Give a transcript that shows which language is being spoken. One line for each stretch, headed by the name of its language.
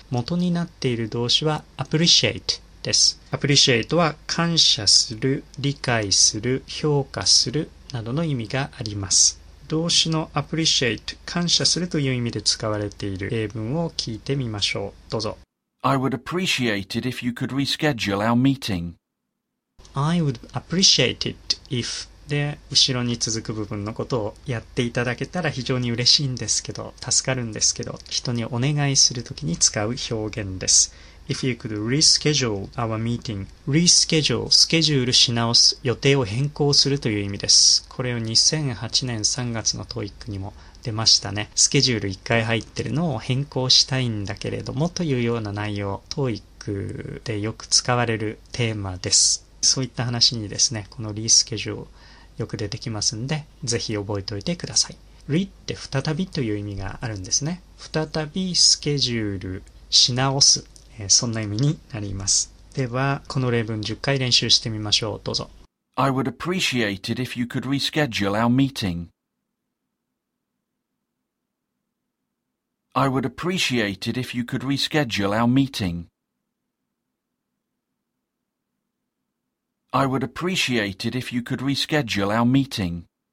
Japanese: 元になっている動詞は appreciate です。 Appreciate は感謝する、理解する、評価するなどの意味があります。動詞の appreciate、感謝するという意味で使われている例文を聞いてみましょう。どうぞ。
English: I would appreciate it if you could reschedule our meeting. I would appreciate it if
Japanese: で、後ろに続く部分のことをやっていただけたら非常に嬉しいんですけど、助かるんですけど、人にお願いするときに使う表現です。
English: If you could reschedule our meeting.
Japanese: Reschedule, スケジュールし直す、予定を変更するという意味です。これを2008年3月の TOEIC にも出ましたね。スケジュール1回入ってるのを変更したいんだけれどもというような内容、TOEIC でよく使われるテーマです。そういった話にですね、このリスケジュールよく出てきますんで、ぜひ覚えておいてください。リって再びという意味があるんですね。再びスケジュールし直す。そんな意味になります。では、この例文10回練習してみましょう。どうぞ。
English: I would appreciate it if you could reschedule our meeting. I would appreciate it if you could reschedule our meeting. I would appreciate it if you could reschedule our meeting.